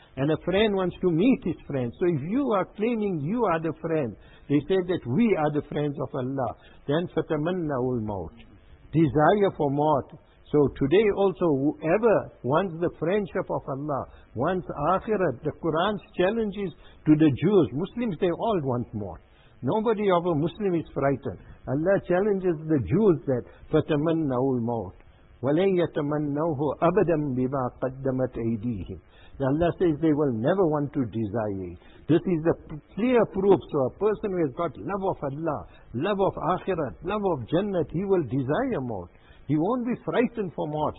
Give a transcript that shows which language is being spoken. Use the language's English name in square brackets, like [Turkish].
[English] And a friend wants to meet his friend. So if you are claiming you are the friend, they say that we are the friends of Allah, then [Arabic] فَتَمَنَّهُ الْمَوْتِ, [English] desire for maut. So today also, whoever wants the friendship of Allah, wants akhirat, the Quran's challenge is to the Jews. Muslims, they all want maut. Nobody of a Muslim is frightened. Allah challenges the Jews that [Arabic] فَتَمَنَّهُ الْمَوْتِ وَلَنْ يَتَمَنَّوهُ أَبَدًا بِمَا قَدَّمَتْ أَيْدِيهِمْ. [English] Allah says they will never want to desire it. This is a clear proof. So a person who has got love of Allah, love of akhirat, love of jannat, he will desire maut. He won't be frightened for maut.